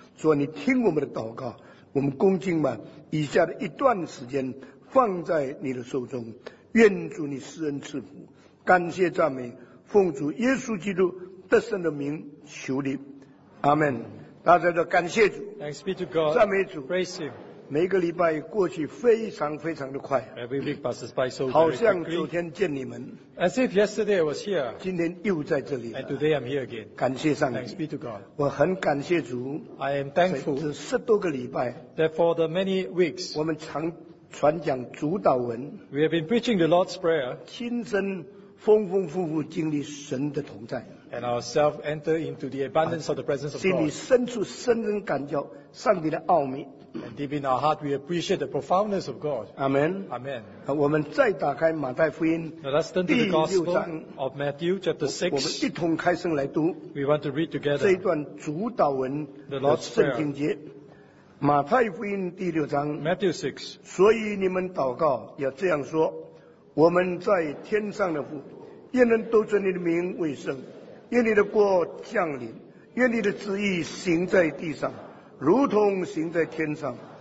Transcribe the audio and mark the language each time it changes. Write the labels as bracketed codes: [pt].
[zh] 所以你听我们的祷告，我们恭敬把以下的一段时间放在你的手中，愿主你施恩赐福，感谢赞美，奉主耶稣基督得胜的名求你，阿们。大家都感谢主。 [en] Thanks be to God. [zh] 赞美主。 [en] Praise him. [zh] 每个礼拜过去非常非常的快。 [en] Every week passes by so quickly. [zh] 好像昨天见你们。 [en] As if yesterday I was here. [zh] 今天又在这里了。 [en] And today I'm here again. [zh] 感谢上帝。 [en] Thanks be to God. [zh] 我很感谢主。 [en] I am thankful. [zh] 这十多个礼拜。 [en] That for the many weeks. [zh] 我们常传讲主导文。 [en] We have been preaching the Lord's Prayer. [zh] 亲身丰丰富富经历神的同在。 [en] And ourselves enter into the abundance of the presence of God. [zh] 心里深处深深感觉上帝的奥秘。 [en] And deep in our heart, we appreciate the profoundness of God. Amen. Amen. [zh] 我们再打开马太福音。 [en] Now let's turn to the Gospel of Matthew, chapter 6. [zh] 我们一同开声来读。 [en] We want to read together. [zh] 这一段主导文的圣经节。马太福音第六章。 [en] Matthew 6. [zh] 所以你们祷告要这样说：我们在天上的父，愿人都尊你的名为圣。愿你的国降临，愿你的旨意行在地上，如同行在天上。